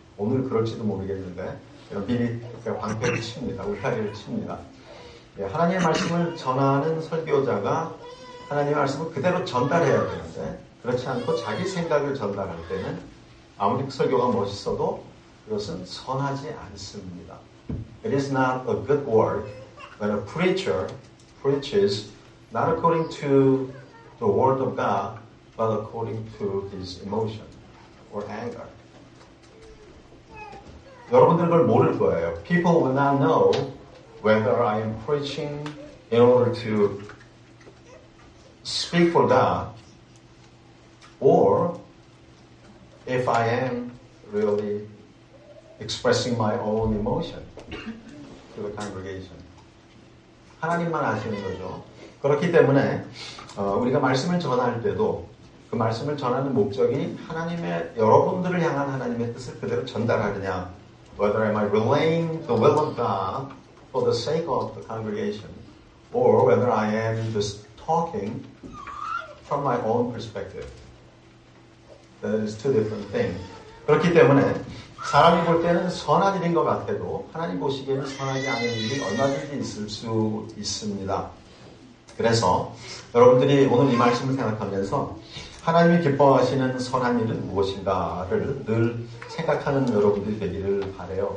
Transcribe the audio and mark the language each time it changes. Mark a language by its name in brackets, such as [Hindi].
[Korean] 오늘 그럴지도 모르겠는데 미리 방패를 칩니다. 울타리를 칩니다. 예, 하나님의 말씀을 전하는 설교자가 하나님의 말씀을 그대로 전달해야 되는데 그렇지 않고 자기 생각을 전달할 때는 아무리 설교가 멋있어도 그것은 선하지 않습니다. [English] It is not a good work when a preacher preaches not according to the word of God, but according to his emotion or anger. [Korean] 여러분들은 그걸 모를 거예요. [English] People will not know whether I am preaching in order to speak for God or if I am really expressing my own emotion. To the congregation. [Korean] 하나님만 아시는 거죠. 그렇기 때문에 우리가 말씀을 전할 때도 그 말씀을 전하는 목적이 하나님의 여러분들을 향한 하나님의 뜻을 그대로 전달하느냐. [English] Whether am I relaying the will of God for the sake of the congregation or whether I am just talking from my own perspective. That is two different things. [Korean] 그렇기 때문에 사람이 볼 때는 선한 일인 것 같아도 하나님 보시기에는 선하지 않은 일이 얼마든지 있을 수 있습니다. 그래서 여러분들이 오늘 이 말씀을 생각하면서 하나님이 기뻐하시는 선한 일은 무엇인가를 늘 생각하는 여러분들이 되기를 바라요.